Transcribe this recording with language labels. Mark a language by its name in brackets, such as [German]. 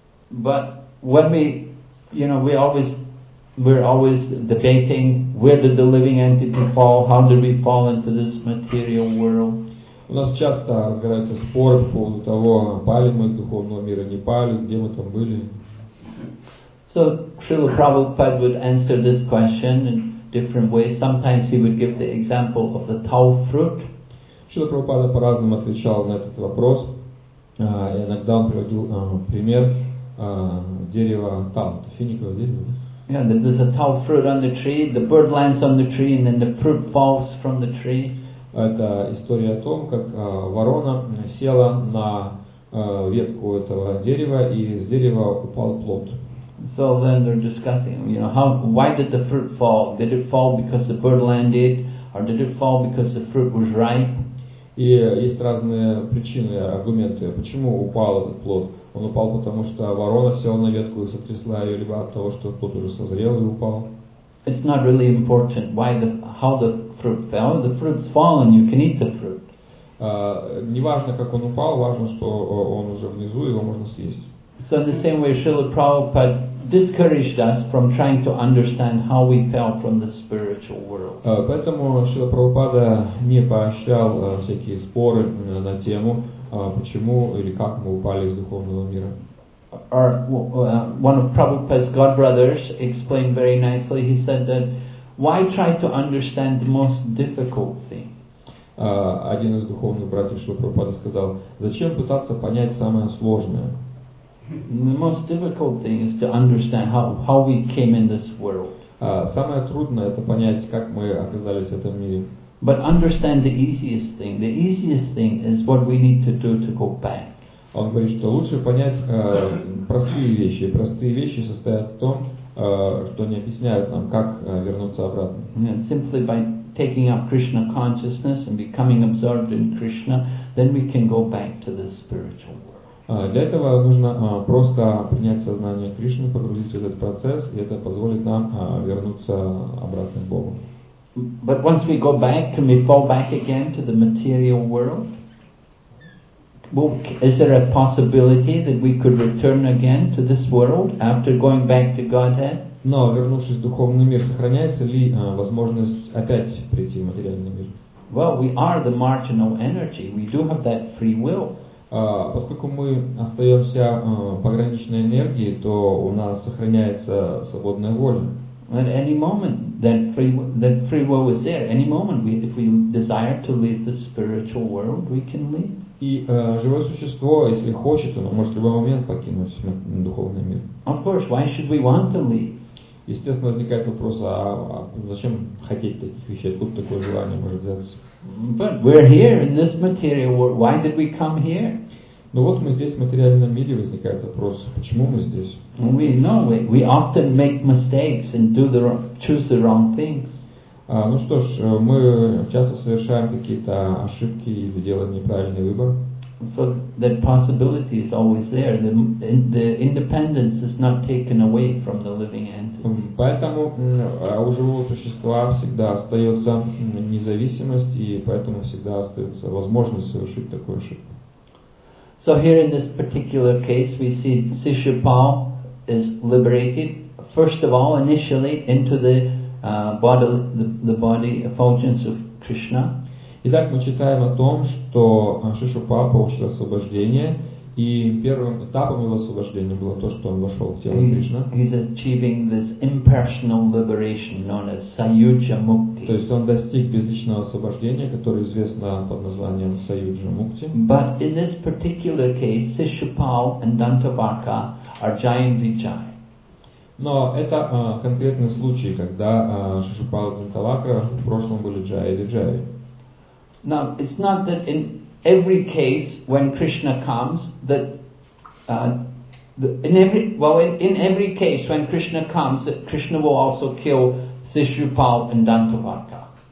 [English] But when we, you know, we're always debating, where did the living entity fall? How did we fall into this material world? [Russian] У нас часто разгораются споры по поводу того, пали мы из духовного мира, не пали, где мы там были. [English] So Srila Prabhupada would answer this question and different ways. Sometimes he would give the example of the tau fruit. [Russian] Шрила Прабхупада по-разному отвечал на этот вопрос. Иногда он приводил пример дерева тау, финиковое дерево. [English] Yeah, there's a tau fruit on the tree, the bird lands on the tree, and then the fruit falls from the tree. [Russian] Это история о том, как ворона села на ветку этого дерева, и с дерева упал плод. [English] So then they're discussing, you know, why did the fruit fall? Did it fall because the bird landed, or did it fall because the fruit was ripe? [Russian] И есть разные причины, аргументы, почему упал этот плод. Он упал потому, что ворона села на ветку и сотрясла ее, либо от того, что плод уже созрел и упал. [English] It's not really important how the fruit fell. The fruit's fallen, you can eat the fruit. [Russian] Не важно, как он упал, важно, что он уже внизу, его можно съесть. [English] So in the same way, Srila Prabhupada discouraged us from trying to understand how we fell from the spiritual world. [Russian] Поэтому Шрила Прабхупада не поощрял всякие споры на тему, почему или как мы упали из духовного мира. [English] One of Prabhupada's godbrothers explained very nicely. He said that why try to understand the most difficult thing? [Russian] Один из духовных братьев Шрила Прабхупада сказал: зачем пытаться понять самое сложное? [English] The most difficult thing is to understand how we came in this world. [Russian] Самое трудное — это понять, как мы оказались в этом мире. [English] But understand the easiest thing. The easiest thing is what we need to do to go back. [Russian] Он говорит, что лучше понять простые вещи. Простые вещи состоят в том, что они объясняют нам, как вернуться обратно. [English] Simply by taking up Krishna consciousness and becoming absorbed in Krishna, then we can go back to the spiritual world. [Russian] Для этого нужно просто принять сознание Кришны, погрузиться в этот процесс, и это позволит нам вернуться обратно к Богу. [English] But once we go back, can we fall back again to the material world? Is there a possibility that we could return again to this world after going back to Godhead? [Russian] Но вернувшись в духовный мир, сохраняется ли возможность опять прийти в материальный мир? [English] Well, we are the marginal energy. We do have that free will. [Russian] Поскольку мы остаемся пограничной энергией, то у нас сохраняется свободная воля. [English] At any moment, that free will is there. Any moment, if we desire to leave the spiritual world, we can leave. [Russian] И живое существо, если хочет, оно может в любой момент покинуть духовный мир. [English] Of course, why should we want to leave? [Russian] Естественно, возникает вопрос, а зачем хотеть таких вещей? Откуда такое желание может взяться? [English] But we're here in this material world. Why did we come here? [Russian] Ну вот мы здесь в материальном мире, возникает вопрос, почему мы здесь? [English] We know we often make mistakes and choose the wrong things. [Russian] Ну что ж, мы часто совершаем какие-то ошибки и делаем неправильный выбор. [English] So that possibility is always there. The independence is not taken away from the living entity. [Russian] Поэтому у живого существа всегда остается независимость, и поэтому всегда остается возможность совершить такую ошибку. [English] So here in this particular case, we see Sishupal is liberated first of all, initially into the body effulgence of Krishna. [Russian] Итак, мы читаем о том, что Шишупала получил освобождение, и первым этапом его освобождения было то, что он вошел в тело Кришны. [English] He's achieving this impersonal liberation known as Sayujya Mukti. [Russian] То есть он достиг безличного освобождения, которое известно под названием Sayujya Mukti. [English] But in this particular case, Sishupal and Dantavarka are Jayan Vijay. [Russian] Но это конкретный случай, когда Шишупала и Дантавакра в прошлом были Джая Виджая. [English] Now, it's not that in every case when Krishna comes, that Krishna will also kill Sishupal and Dantavarka.